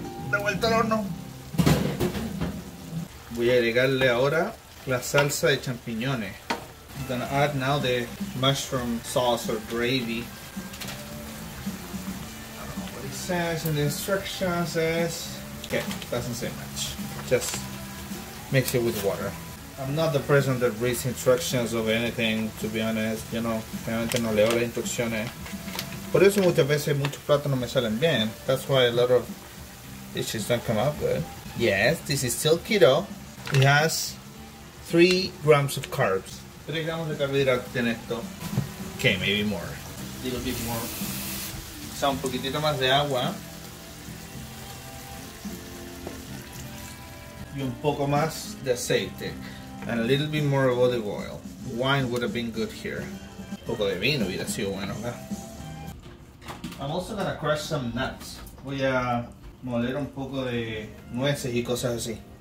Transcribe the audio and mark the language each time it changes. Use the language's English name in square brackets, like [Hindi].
[Spanish] De vuelta al horno. Voy a agregarle ahora la salsa de champiñones. [English] I'm gonna add now the mushroom sauce or gravy. I don't know what it says in the instructions. Is... Okay, doesn't say much. Just mix it with water. I'm not the person that reads instructions of anything, to be honest. You know, [Spanish] realmente no leo las instrucciones. Por eso muchas veces muchos platos no me salen bien. [English] That's why a lot of dishes don't come out good. Yes, this is still keto. It has 3 grams of carbs. [Spanish] 3 gramos de carbohidratos en esto. [English] Okay, maybe more. A little bit more. [Spanish] Usa un poquitito más de agua. Y un poco más de aceite. [English] And a little bit more of olive oil. Wine would have been good here. [Spanish] Un poco de vino hubiera sido bueno, ¿verdad? [English] I'm also gonna crush some nuts. [Spanish] Voy a moler un poco de nueces y cosas así.